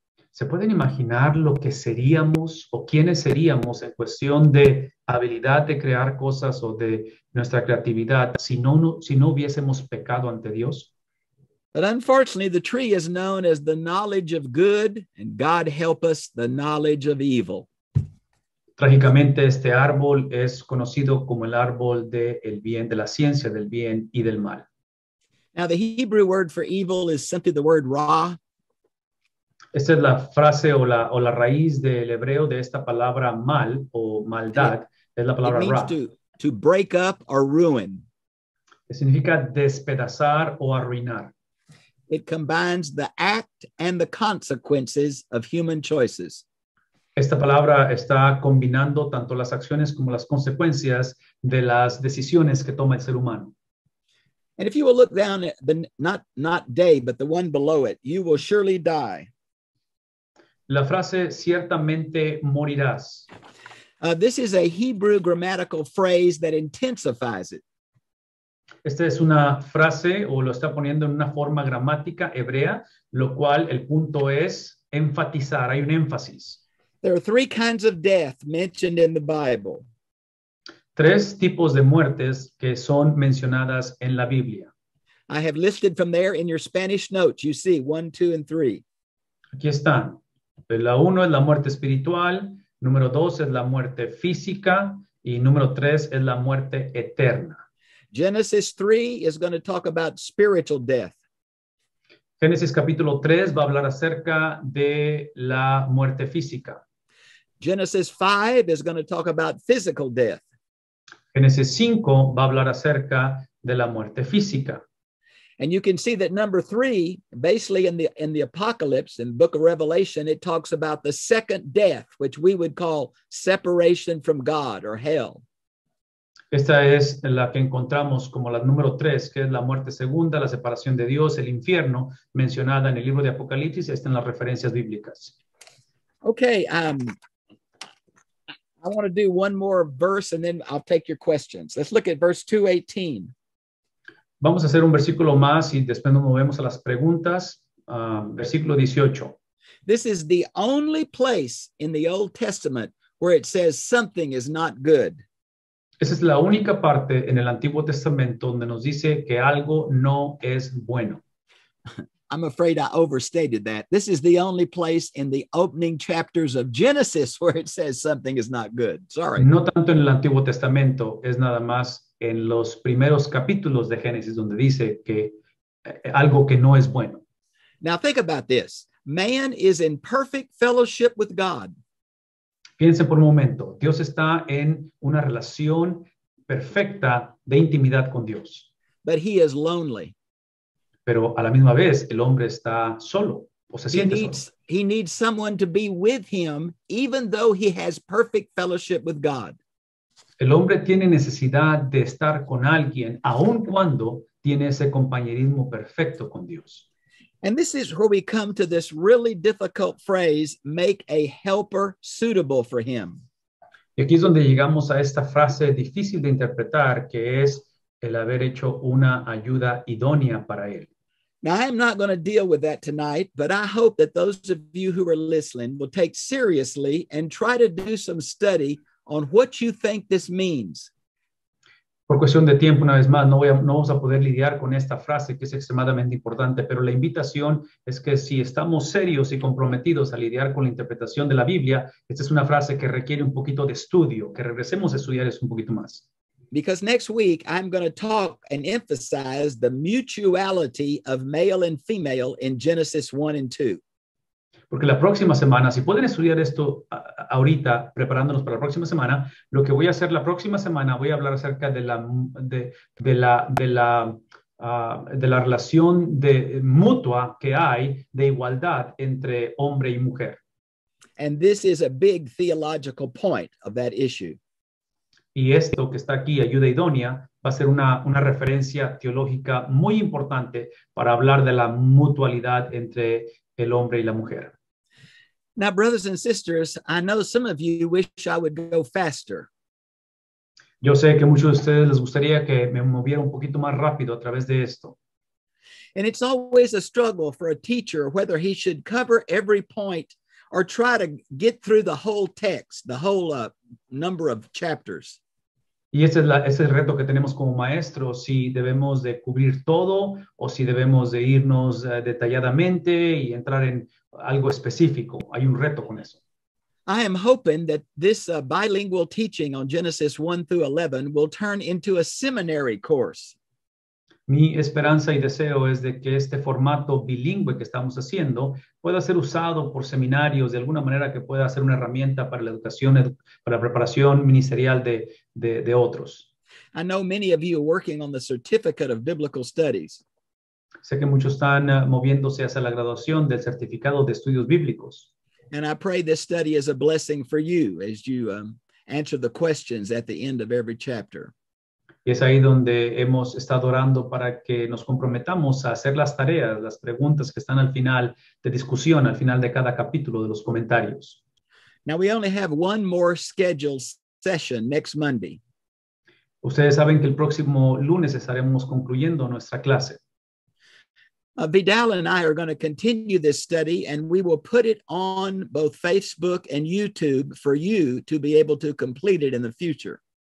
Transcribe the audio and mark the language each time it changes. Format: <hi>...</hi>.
<es>¿Se pueden imaginar lo que seríamos o quiénes seríamos en cuestión de habilidad de crear cosas o de nuestra creatividad si no hubiésemos pecado ante Dios?</es> <en>But unfortunately, the tree is known as the knowledge of good, and God help us, the knowledge of evil.</en> <es>Trágicamente, este árbol es conocido como el árbol del bien, de la ciencia del bien y del mal.</es> <en>Now, the Hebrew word for evil is simply the word ra.</en> <es>Esta es la frase o la raíz del hebreo de esta palabra mal o maldad, es la palabra</es> <en>it means</en> <he>ra.</he> <en>To break up or ruin.</en> <es>Que significa despedazar o arruinar.</es> <en>It combines the act and the consequences of human choices.</en> <es>Esta palabra está combinando tanto las acciones como las consecuencias de las decisiones que toma el ser humano.</es> <en>And if you will look down at the not day, but the one below it, you will surely die.</en> <es>La frase ciertamente morirás.</es> <en>This is a Hebrew grammatical phrase that intensifies it.</en> <es>Esta es una frase o lo está poniendo en una forma gramática hebrea, lo cual el punto es enfatizar, hay un énfasis.</es> <en>There are three kinds of death mentioned in the Bible.</en> <es>Tres tipos de muertes que son mencionadas en la Biblia.</es> <en>I have listed from there in your Spanish notes, you see, one, two, and three.</en> <es>Aquí están. La uno es la muerte espiritual, número dos es la muerte física y número tres es la muerte eterna.</es> <en>Genesis 3 is going to talk about spiritual death.</en> <es>Génesis capítulo 3 va a hablar acerca de la muerte física.</es> <en>Genesis 5 is going to talk about physical death.</en> <es>Génesis 5 va a hablar acerca de la muerte física.</es> <en>And you can see that number 3, basically in the apocalypse, in the book of Revelation, it talks about the second death, which we would call separation from God or hell.</en> <es>Esta es la que encontramos como la número 3, que es la muerte segunda, la separación de Dios, el infierno, mencionada en el libro de Apocalipsis, está en las referencias bíblicas.</es> <en>Okay, I want to do one more verse and then I'll take your questions. Let's look at verse 218.</en> <es>Vamos a hacer un versículo más y después nos movemos a las preguntas. Versículo 18.</es> <en>This is the only place in the Old Testament where it says something is not good.</en> <es>Esa es la única parte en el Antiguo Testamento donde nos dice que algo no es bueno.</es> <en>I'm afraid I overstated that. This is the only place in the opening chapters of Genesis where it says something is not good. Sorry.</en> <es>No tanto en el Antiguo Testamento, es nada más en los primeros capítulos de Génesis donde dice que algo que no es bueno.</es> <en>Now think about this. Man is in perfect fellowship with God.</en> <es>Piensen por un momento, Dios está en una relación perfecta de intimidad con Dios.</es> <en>But he is lonely.</en> <es>Pero a la misma vez, el hombre está solo, o se siente solo.</es> <en>He needs someone to be with him, even though he has perfect fellowship with God.</en> <es>El hombre tiene necesidad de estar con alguien, aun cuando tiene ese compañerismo perfecto con Dios.</es> <en>And this is where we come to this really difficult phrase, make a helper suitable for him.</en> <es>Y aquí es donde llegamos a esta frase difícil de interpretar, que es el haber hecho una ayuda idónea para él.</es> <en>Now, I am not going to deal with that tonight, but I hope that those of you who are listening will take seriously and try to do some study on what you think this means.</en> <es>Por cuestión de tiempo, una vez más, no vamos a poder lidiar con esta frase que es extremadamente importante, pero la invitación es que si estamos serios y comprometidos a lidiar con la interpretación de la Biblia, esta es una frase que requiere un poquito de estudio, que regresemos a estudiar eso un poquito más.</es> <en>Because next week I'm going to talk and emphasize the mutuality of male and female in Genesis 1 and 2.</en> <es>Porque la próxima semana, si pueden estudiar esto ahorita, preparándonos para la próxima semana, lo que voy a hacer la próxima semana, voy a hablar acerca de la relación de mutua que hay de igualdad entre hombre y mujer.</es> <en>And this is a big theological point of that issue.</en> <es>Y esto que está aquí, ayuda idónea, va a ser una referencia teológica muy importante para hablar de la mutualidad entre el hombre y la mujer.</es> <en>Now, brothers and sisters, I know some of you wish I would go faster.</en> <es>Yo sé que muchos de ustedes les gustaría que me moviera un poquito más rápido a través de esto.</es> <en>And it's always a struggle for a teacher whether he should cover every point or try to get through the whole text, the whole number of chapters.</en> <es>Y ese es, ese es el reto que tenemos como maestros, si debemos de cubrir todo o si debemos de irnos detalladamente y entrar en algo específico. Hay un reto con eso.</es> <en>I am hoping that this bilingual teaching on Genesis 1 through 11 will turn into a seminary course.</en> <es>Mi esperanza y deseo es de que este formato bilingüe que estamos haciendo pueda ser usado por seminarios de alguna manera que pueda ser una herramienta para la educación, para la preparación ministerial de otros.</es> <en>I know many of you are working on the certificate of biblical studies.</en> <es>Sé que muchos están moviéndose hacia la graduación del certificado de estudios bíblicos.</es> <en>And I pray this study is a blessing for you as you answer the questions at the end of every chapter.</en> <es>Y es ahí donde hemos estado orando para que nos comprometamos a hacer las tareas, las preguntas que están al final de discusión, al final de cada capítulo de los comentarios.</es> <en>Now we only have one more scheduled session next Monday.</en> <es>Ustedes saben que el próximo lunes estaremos concluyendo nuestra clase.</es> <en>Vidal and I are going to continue this study and we will put it on both Facebook and YouTube for you to be able to complete it in the future.</en>